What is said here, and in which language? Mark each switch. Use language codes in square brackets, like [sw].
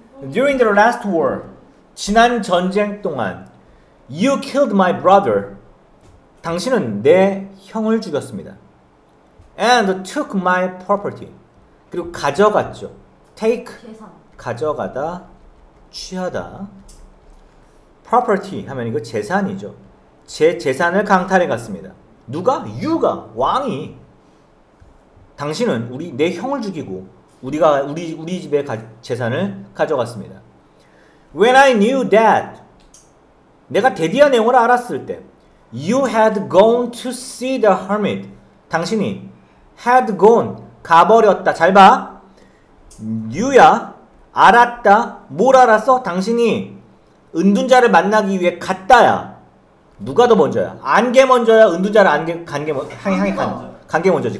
[en] During the last war, [ko] 지난 전쟁 동안, [en] you killed my brother. [ko] 당신은 내 형을 죽였습니다. [en] And took my property. [ko] 그리고 가져갔죠. [en] Take, [ko] 재산. 가져가다, 취하다. Property 하면 이거 재산이죠. 제 재산을 강탈해 갔습니다. 누가? You가, 왕이. 당신은 내 형을 죽이고 우리 집의 재산을 가져갔습니다. [en] When I knew that, [ko] 내가 데디아 내용을 알았을 때, [en] You had gone to see the hermit. [ko] 당신이 had gone, 가버렸다. 잘 봐. You야, 알았다. 뭘 알았어? 당신이 은둔자를 만나기 위해 갔다야. 누가 더 먼저야? 안게 먼저야? 은둔자를 안 게, 간게 먼저, 향해 간, 간게 먼저지.